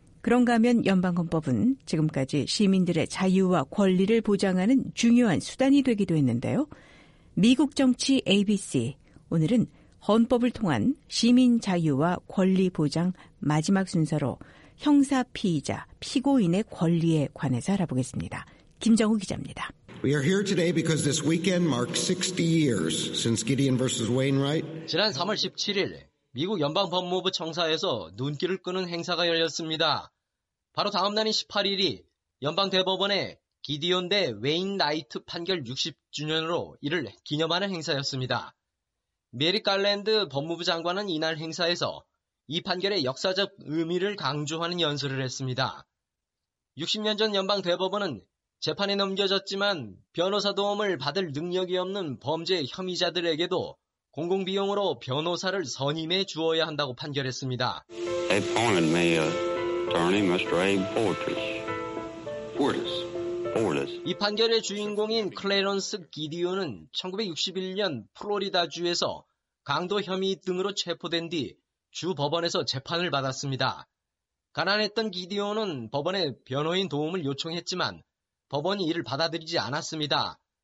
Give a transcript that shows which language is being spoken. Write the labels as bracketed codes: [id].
[ko] 그런가 하면 연방헌법은 지금까지 시민들의 자유와 권리를 보장하는 중요한 수단이 되기도 했는데요. 미국 정치 ABC, 오늘은 헌법을 통한 시민 자유와 권리 보장 마지막 순서로 형사 피의자, 피고인의 권리에 관해서 알아보겠습니다. 김정우 기자입니다. [en] We are here today because this weekend marks 60 years since Gideon versus Wainwright. [ko] 지난 3월 17일 미국 연방 법무부 청사에서 눈길을 끄는 행사가 열렸습니다. 바로 다음 날인 18일이 연방 대법원의 기디온 대 웨인라이트 판결 60주년으로 이를 기념하는 행사였습니다. 메리 갈랜드 법무부 장관은 이날 행사에서 이 판결의 역사적 의미를 강조하는 연설을 했습니다. 60년 전 연방 대법원은 재판에 넘겨졌지만 변호사 도움을 받을 능력이 없는 범죄 혐의자들에게도 공공비용으로 변호사를 선임해 주어야 한다고 판결했습니다. [en] They appointed me attorney, Mr. Abe Fortas. Fortas. Fortas. [ko] 이 판결의 주인공인 클레런스 기디온은 1961년 플로리다주에서 강도 혐의 등으로 체포된 뒤 주법원에서 재판을 받았습니다. 가난했던 기디온은 법원에 변호인 도움을 요청했지만 법원이 이를 받아들이지 않았습니다.